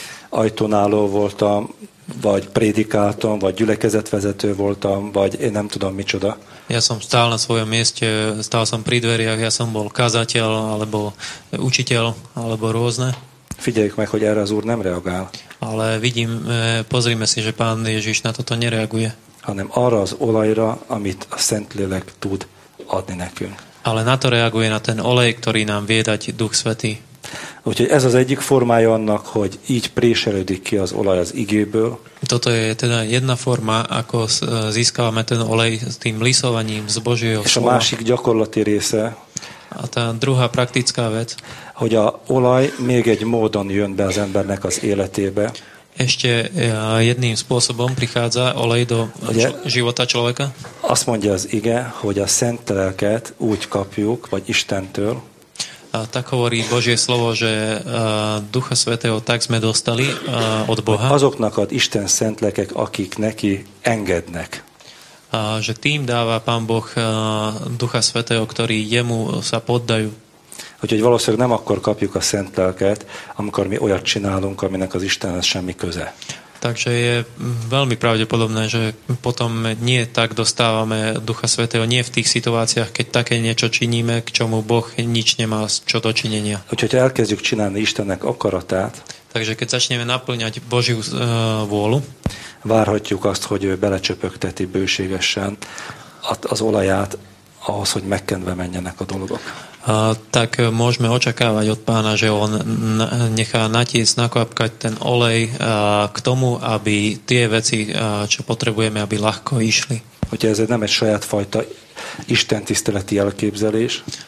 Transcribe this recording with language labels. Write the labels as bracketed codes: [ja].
[hu] Ajtónáló voltam, vagy prédikáltam, vagy gyülekezetvezető voltam, vagy én nem tudom micsoda. [sk] Ja som stál na svojom mieste, stál som pri dveriach, ja som bol kazateľ, alebo učiteľ, alebo rôzne. [hu] Figyeljük meg, hogy erre az Úr nem reagál. [sk] Ale vidím, pozrime si, že Pán Ježiš na toto nereaguje. [hu] Hanem arra az olajra, amit a Szentlélek tud adni nekünk. [sk] Ale na to reaguje, na ten olej, ktorý nám vie dať Duch Svätý. [hu] Úgyhogy ez az egyik formája annak, hogy így préselődik ki az olaj az igéből. [sk] Toto je teda jedna forma, ako získavame ten olej s tým lisovaním z Božieho slova. [hu] És a másik gyakorlati része. [sk] A tá druhá praktická vec. [hu] Hogy a olaj még egy módon jön be az embernek az életébe. [sk] Ešte jedným spôsobom prichádza olej do života človeka. [hu] Azt mondja az ige, hogy a Szent Lelket úgy kapjuk, vagy Istentől. [sk] A tak hovorí Božie slovo, že Ducha Svätého tak sme dostali od Boha. [hu] Azoknak ad Isten szent lelkek, akik neki engednek. [sk] A že tým dáva Pán Boh Ducha Svätého, ktorí jemu sa poddajú. [hu] Úgyhogy valószínűleg nem akkor kapjuk a Szent Lelket, amikor mi olyat csinálunk, aminek az Istenhez semmi köze. [sk] Takže je veľmi pravdepodobné, že potom nie tak dostávame Ducha Svätého, nie v tých situáciách, keď také niečo činíme, k čomu Boh nič nemá čo dočinenia. [hu] Hogyha elkezdjük csinálni Istennek akaratát, [sk] takže keď začneme naplňať Božiu vôľu, [hu] várhatjuk azt, hogy ő belecsöpögteti bőségesen az olaját ahhoz, hogy megkendve menjenek a dolgok. [sk] Tak môžeme očakávať od Pána, že on nechá natiesť, nakvapkať ten olej k tomu, aby tie veci, čo potrebujeme, aby ľahko išli. [hu] Hogyha ez nem egy saját fajta Isten tiszteleti elképzelés.